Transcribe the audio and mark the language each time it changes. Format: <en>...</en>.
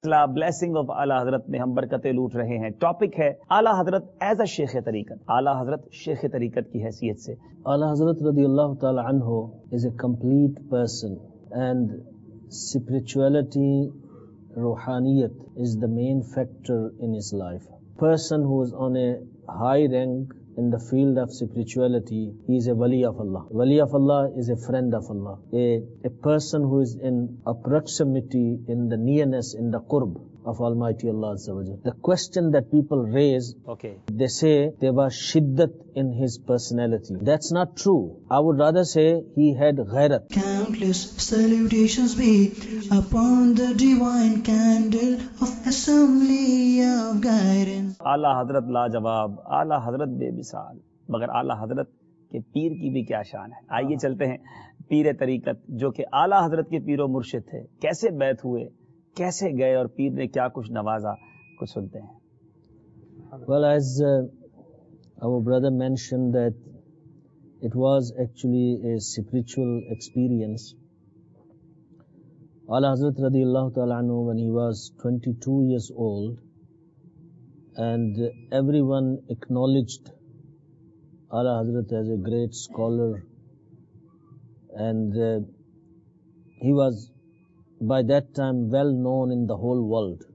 <en>blessing of</en> <ur>اعلی حضرت میں ہم برکتیں لوٹ رہے ہیں. ٹاپک ہے اعلی حضرت</ur> <en>as a</en> <ur>شیخ طریقت. اعلی حضرت شیخ طریقت کی حیثیت سے</ur> <en>اعلی حضرت رضی اللہ تعالی عنہ is a complete person and spirituality روحانیت is the main factor in his life. Person who is on a high rank in the field of spirituality he is a ولی of Allah. ولی of Allah is a friend of Allah. A person who is in proximity in the nearness in the قرب of almighty Allah عز و جل. The question that people raise okay they say دیوا شدت in his personality. That's not true. I would rather say he had غیرت. Countless salutations be upon the divine candle of assembly of guidance.</en> <ur>اعلی حضرت لاجواب, اعلی حضرت بے مثال, مگر اعلی حضرت کے پیر کی بھی کیا شان ہے. آئیے چلتے ہیں پیر طریقت, جو کہ اعلی حضرت کے پیر و مرشد تھے. کیسے بیعت ہوئے, کیسے گئے, اور پیر نے کیا کچھ نوازا, کچھ سنتے ہیں.</ur> <en>Well, as our brother mentioned that it was actually a spiritual experience. Ala Hazrat رضی اللہ تعالیٰ عنہ, when he was 22 years old and everyone acknowledged Ala Hazrat as a great scholar, and he was by that time well known in the whole world.</en>